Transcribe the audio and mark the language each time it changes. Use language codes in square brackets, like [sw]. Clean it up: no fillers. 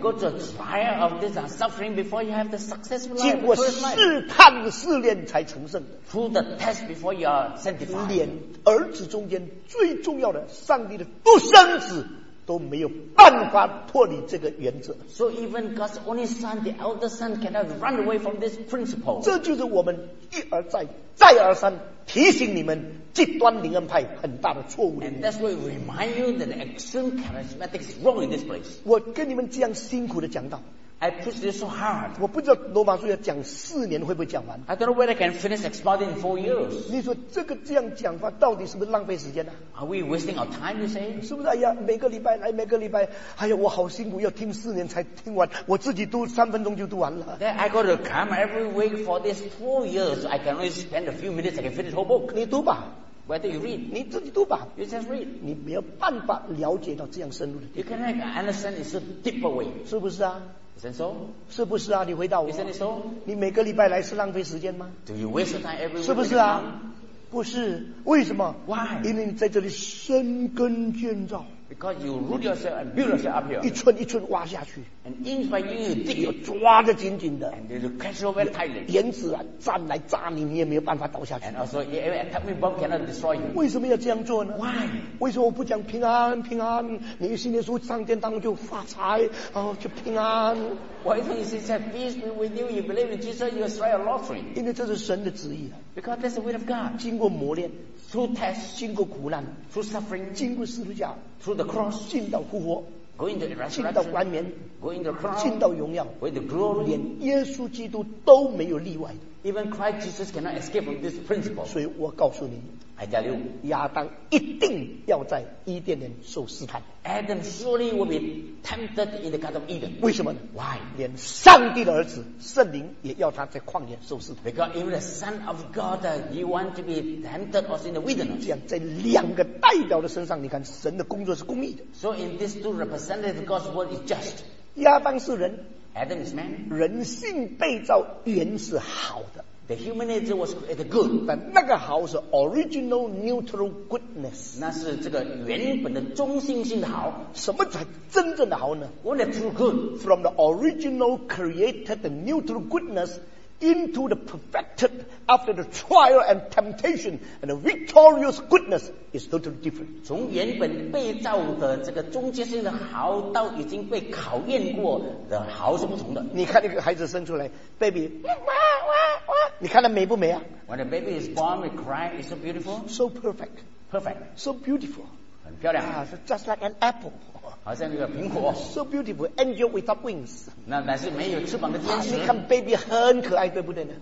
[en] And go through the trial of this suffering before you have the successful life. [zh] 经过试探的试炼才成圣。 [en] Through the test before you are sanctified. [zh] 连儿子中间最重要的上帝的独生子都没有办法脱离这个原则。 [en] So even God's only son, the elder son, cannot run away from this principle. [zh] 这就是我们一而再，再而三。提醒你们极端灵恩派很大的错误。 [en] And that's why we remind you that the extreme charismatic is wrong in this place. [zh] 我跟你们这样辛苦的讲道。 [en] I push this so hard. [zh] 我不知道罗马书要讲四年会不会讲完。 [en] I don't know whether I can finish exploding in 4 years. [zh] 你说这个这样讲话到底是不是浪费时间呢、啊、 [en] ？Are we wasting our time? You say? [zh] 是不是？哎呀，每个礼拜来，每个礼拜，哎呀，我好辛苦，要听四年才听完，我自己读三分钟就读完了。 [en] Then I got to come every week for this 4 years. I can only spend a few minutes. I can finish the whole book. [zh] 你读吧。 [en] Whether you read, [zh] 你自己读吧。 [en] You just read. [zh] 你没有办法了解到这样深入的地方。 [en] You cannot understand it so deep away. [zh] 是不是啊？ [en] Isn't so? [zh] 是不是啊？你回答我。 [en] Isn't it so? [zh] 你每个礼拜来是浪费时间吗 [en] ？Do you waste time every week? [zh] 是不是啊？不是，为什么 [en] ？Why? [zh] 因为你在这里生根建造。 [en] Because you root yourself and build yourself up here. [zh] 一寸一寸挖下去。 [en] And inch by inch, you dig. [zh] 要抓得紧紧的。 [en] And you catch over tightly. [zh] 原子啊，站来炸你，你也没有办法倒下去。 [en] And also, atomic bomb cannot destroy you. [zh] 为什么要这样做呢 [en] ？Why？ [zh] 为什么我不讲平安平安？你心里说上天当中就发财，然后就平安。 [en] Why don't you say peace be with you? You believe in Jesus, you strike a lottery. [zh] 因为这是神的旨意啊。 [en] Because that's the will of God. [zh] 经过磨练 [en] ，through test， [zh] 经过苦难 [en] ，through suffering， [zh] 经过十字架。 [en] Through the cross, [zh] 进到复活 [en] going to the resurrection, [zh] 进到冠冕 [en] going to the crown, [zh] 进到荣耀 [en] with the glory, [zh] 连耶稣基督都没有例外的 [en] Even Christ Jesus cannot escape from this principle. [zh] 所以我告诉你 [en] I tell you, [zh] 亚当一定要在伊甸园受试探 [en] Adam surely will be tempted in the Garden of Eden. [zh] 为什么呢 [en] Why? [zh] 连上帝的儿子圣灵也要他在旷野受试探 [en] Because even the Son of God, he wants to be tempted also in the wilderness. [zh] 这样在两个代表的身上你看神的工作是公义的 [en] So in these two representatives, God's word is just. [zh] 亚当是人 [en] Adam is man. [zh] 人性被造原是好的 [en] The human nature was created good. [zh] 但那个好是 [en] original neutral goodness. [zh] 那是这个原本的中性性的好。什么才真正的好呢 [en] ？What is true good? From the original created the neutral goodness into the perfected after the trial and temptation and the victorious goodness is totally different. [zh] 从原本被造的这个中间性的好到已经被考验过的好是不同的。你看那个孩子生出来 ，baby。你看它美不美啊 [en] ？When the baby is born, we cry. It's so beautiful. So perfect. Perfect. So beautiful. [zh] 很漂亮。 [en] Ah, so just like an apple. [zh] 好像那个苹果。 [en] So beautiful, angel without wings. [zh] 那但是没有翅膀的天使。你看 baby 很可爱，对不对呢？